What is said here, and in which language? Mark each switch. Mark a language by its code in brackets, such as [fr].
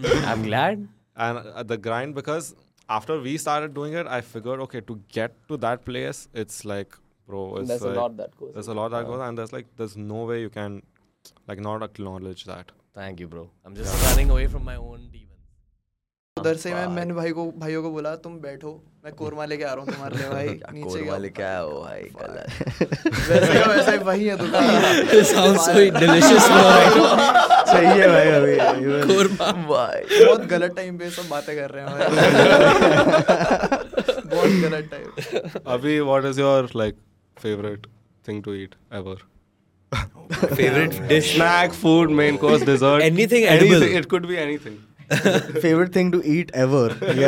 [en] I'm glad. And the grind, because after we started doing it, I figured, okay, to get to that place, it's like, bro, there's a lot that goes and there's like, there's no way you can like not acknowledge that. Thank you, bro. I'm just running away from my own demon. [hi] उधर से मैंने भाई को भाइयों को बोला तुम बैठो मैं कोरमा लेके आ रहा हूँ तुम्हारे लिए भाई नीचे कोरमा लेके आया हो भाई कल वैसे वही है दुकान [en] sounds so delicious भाई [hi] सही है भाई अभी कोरमा भाई बहुत गलत टाइम पे सब बातें कर रहे हैं भाई बहुत गलत टाइम [en] अभी what is your like favorite thing to eat ever favorite dish snack food main course dessert anything edible anything, it could be anything favorite thing to eat ever yeah